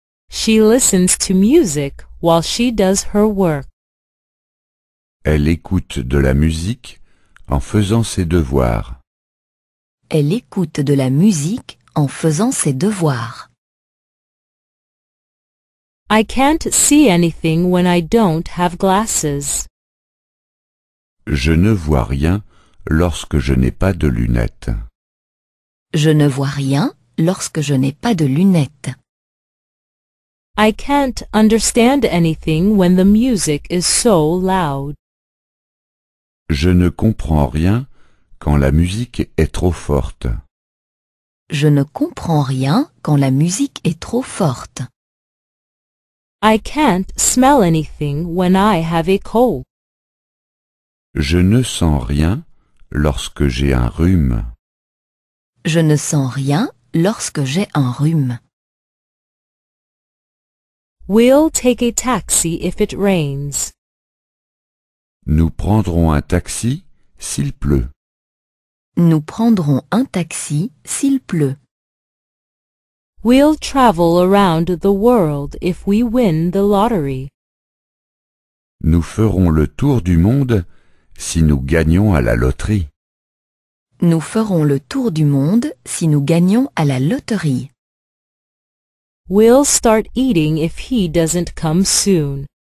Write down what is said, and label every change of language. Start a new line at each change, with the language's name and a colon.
English: She listens to music while she does her work.
French: Elle écoute de la musique en faisant ses devoirs. Elle écoute de la musique en faisant ses devoirs.
English: I can't see anything when I don't have glasses.
French: Je ne vois rien lorsque je n'ai pas de lunettes. Je ne vois rien lorsque je n'ai pas de lunettes.
English: I can't understand anything when the music is so loud.
French: Je ne comprends rien quand la musique est trop forte. Je ne comprends rien quand la musique est trop forte.
English: I can't smell anything when I have a cold.
French: Je ne sens rien lorsque j'ai un rhume. Je ne sens rien lorsque j'ai un rhume.
English: We'll take a taxi if it rains.
French: Nous prendrons un taxi s'il pleut. Nous prendrons un taxi s'il pleut.
English: We'll travel around the world if we win the lottery.
French: Nous ferons le tour du monde si nous gagnons à la loterie. Nous ferons le tour du monde si nous gagnons à la loterie.
English: We'll start eating if he doesn't come soon.